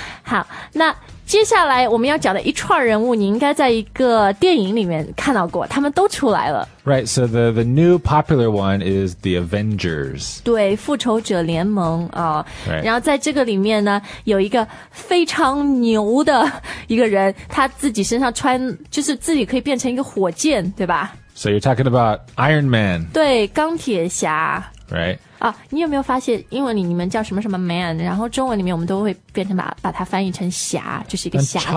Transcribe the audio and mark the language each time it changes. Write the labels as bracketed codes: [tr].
[zh] 好那接下来我们要讲的一串人物你应该在一个电影里面看到过他们都出来了 [en] Right, so the new popular one is the Avengers [zh] 对复仇者联盟、 [en] right. [zh] 然后在这个里面呢有一个非常牛的一个人他自己身上穿就是自己可以变成一个火箭对吧 [en] So you're talking about Iron Man [zh] 对钢铁侠 [en] Right [zh] 啊、你有没有发现英文里你们叫什么什么 man 然后中文里面我们都会变成 把它翻译成侠就是一个侠